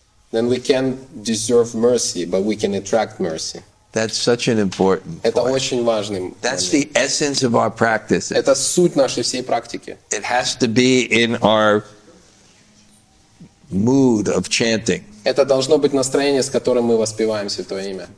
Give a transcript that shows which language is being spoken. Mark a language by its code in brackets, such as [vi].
[en] Then we can deserve mercy, but we can attract mercy. That's such an important point. [ru] Это очень важный момент. [en] That's the essence of our practice. [ru] Это суть нашей всей практики. [en] It has to be in our mood of chanting. [ru] Это должно быть настроение, с которым мы воспеваем святое имя.